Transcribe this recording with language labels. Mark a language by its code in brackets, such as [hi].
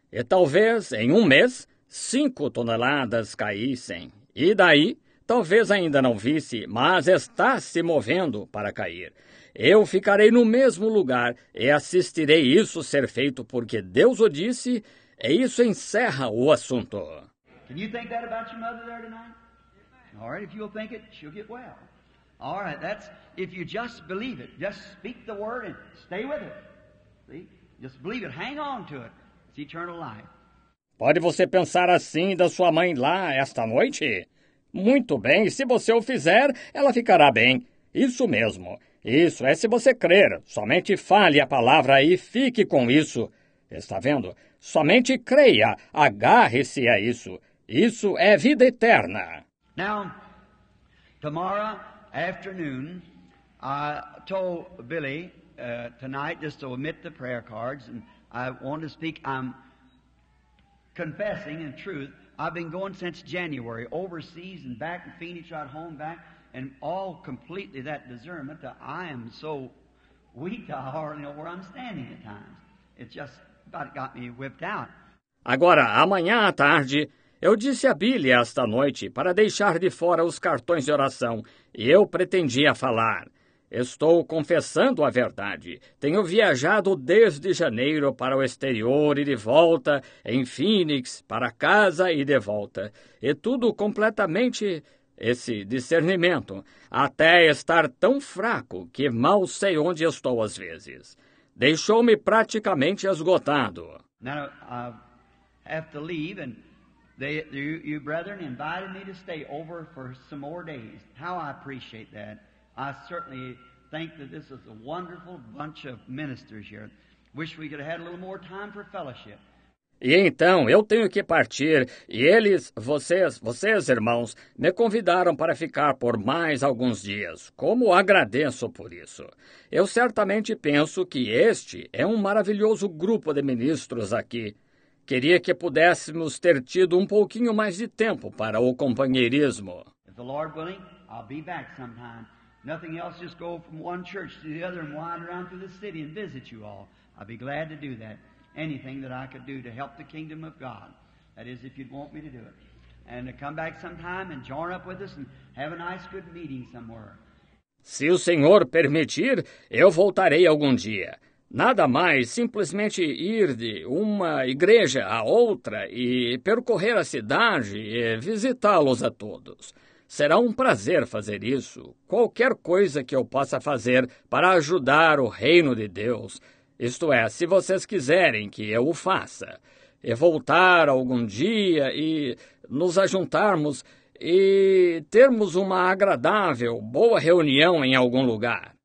[pt] E talvez, em 1 mês, 5 toneladas caíssem. E daí, talvez ainda não visse, mas está se movendo para cair. Eu ficarei no mesmo lugar e assistirei isso ser feito porque Deus o disse, e isso encerra o assunto. [en] Can you think that about your mother there tonight? All right, if you'll think it, she'll get well. All right, that's, if you just believe it, just speak the word and stay with it. See, just believe it, hang on to it. It's eternal life. [pt] Pode você pensar assim da sua mãe lá esta noite? Muito bem, se você o fizer, ela ficará bem. Isso mesmo, isso é se você crer. Somente fale a palavra e fique com isso. Está vendo? Somente creia, agarre-se a isso. Isso é vida eterna. [en] Now, tomorrow afternoon, I told Billy tonight just to omit the prayer cards, and I want to speak. I'm confessing in truth. I've been going since January, overseas and back in Phoenix, right home back, and all completely that discernment that I am so weak, I hardly know where I'm standing at times. It just about got me whipped out. [pt] Agora, amanhã à tarde... Eu disse a Billy esta noite para deixar de fora os cartões de oração, e eu pretendia falar. Estou confessando a verdade. Tenho viajado desde janeiro para o exterior e de volta, em Phoenix, para casa e de volta. E tudo completamente esse discernimento, até estar tão fraco que mal sei onde estou às vezes. Deixou-me praticamente esgotado. [en] Now, have to leave and... You brethren invited me to stay over for some more days. How I appreciate that. I certainly think that this is a wonderful bunch of ministers here. Wish we could have had a little more time for fellowship. [pt] E então eu tenho que partir, e eles, vocês, irmãos, me convidaram para ficar por mais alguns dias. Como agradeço por isso. Eu certamente penso que este é um maravilhoso grupo de ministros aqui. Queria que pudéssemos ter tido um pouquinho mais de tempo para o companheirismo. [en] The Lord willing, I'll be back sometime. Nothing else, just go from one church to the other and wander around through the city and visit you all. I'll be glad to do that. Anything that I could do to help the kingdom of God. That is, if you'd want me to do it. And to come back sometime and join up with us and have a nice good meeting somewhere. [pt] Se o senhor permitir, eu voltarei algum dia. Nada mais, simplesmente ir de uma igreja a outra e percorrer a cidade e visitá-los a todos. Será um prazer fazer isso. Qualquer coisa que eu possa fazer para ajudar o reino de Deus, isto é, se vocês quiserem que eu o faça, e voltar algum dia e nos ajuntarmos e termos uma agradável, boa reunião em algum lugar.